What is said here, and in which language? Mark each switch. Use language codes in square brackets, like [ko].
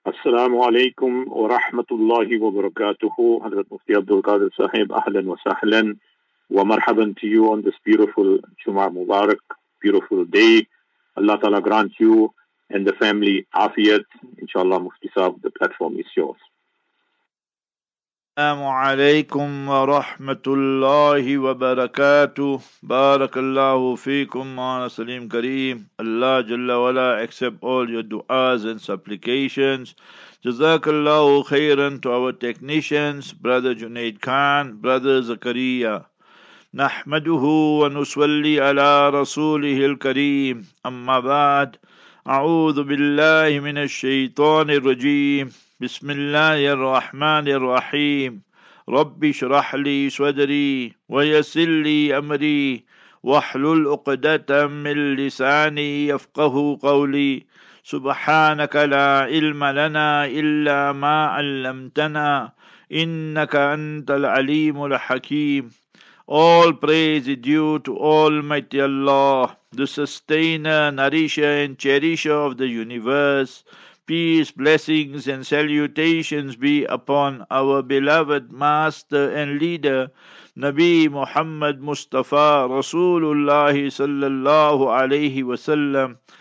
[ar] السلام عليكم ورحمة الله وبركاته. [en] حضرت مفتي عبد القادر صاحب، [ar] أهلا وسهلا ومرحبا [en] to you on this beautiful جمعة مبارك, beautiful day. Allah Ta'ala grant you and the family afiyat. Inshallah, Mufti Sahib, the platform is yours. [ar] السلام عليكم ورحمة الله وبركاته. بارك الله فيكم معنا سليم كريم. [en] الله جل وعلا accept all your du'as and supplications. Jazakallahu khairan to our technicians, brother Junaid Khan, brother Zakaria. [ar] نحمده ونصلي على رسوله الكريم. أما بعد, أعوذ بالله من الشيطان الرجيم. بسم الله الرحمن الرحيم. رب اشرح لي صدري ويسر لي أمري واحلل عقدة من لساني يفقه قولي. سبحانك لا علم لنا إلا ما علمتنا إنك أنت العليم الحكيم. [en] All praise is due to Almighty Allah, the sustainer, nourisher and cherisher of the universe. Peace, blessings and salutations be upon our beloved master and leader, Nabi Muhammad Mustafa Rasulullah sallallahu alayhi wa sallam.